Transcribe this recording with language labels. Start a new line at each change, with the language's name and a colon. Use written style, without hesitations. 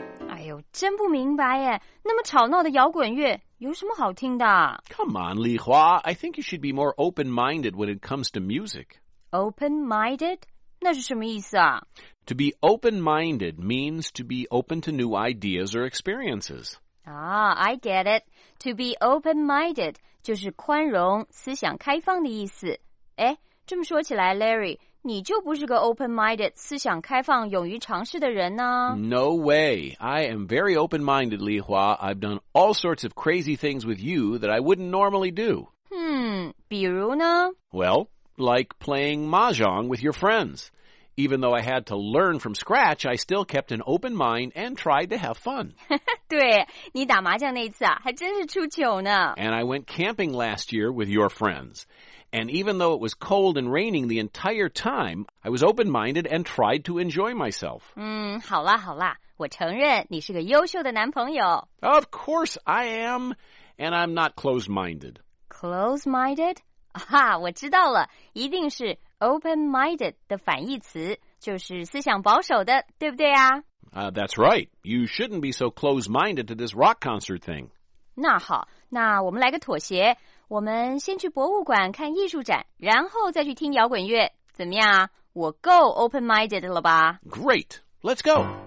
Chinese: Ayo, 真不明白耶，那么吵闹的摇滚乐有什么好听的？
English: Come on, Li Hua, I think you should be more open-minded when it comes to music.
Chinese: Open-minded? 那是什么意思啊?
English: To be open-minded means to be open to new ideas or experiences. Ah, I get it. To be open-minded
Chinese: 就是宽容、思想开放的意思。诶,这么说起来 ,Larry, 你就不是个 open-minded, 思想开放、勇于尝试的人呢?
English: No way. I am very open-minded, Li Hua. I've done all sorts of crazy things with you that I wouldn't normally do.
Chinese: Hmm, 比如呢?
English: Well... Like playing mahjong with your friends. Even though I had to learn from scratch, I still kept an open mind and tried to have fun.
Chinese: 对，你打麻将那次啊，还真是出糗呢。
English: And I went camping last year with your friends. And even though it was cold and raining the entire time, I was open-minded and tried to enjoy myself.
Chinese: 好啦好啦，我承认你是个优秀的男朋友。
English: Of course I am, and I'm not closed-minded.
Chinese: Closed-minded? 啊，我知道了，一定是 open-minded 的反义词，就是思想保守的，对不对啊？
English: That's right. You shouldn't be so close-minded to this rock concert thing.
Chinese: 那好，那我们来个妥协，我们先去博物馆看艺术展，然后再去听摇滚乐，怎么样啊？我够 open-minded 了吧
English: ？Great. Let's go.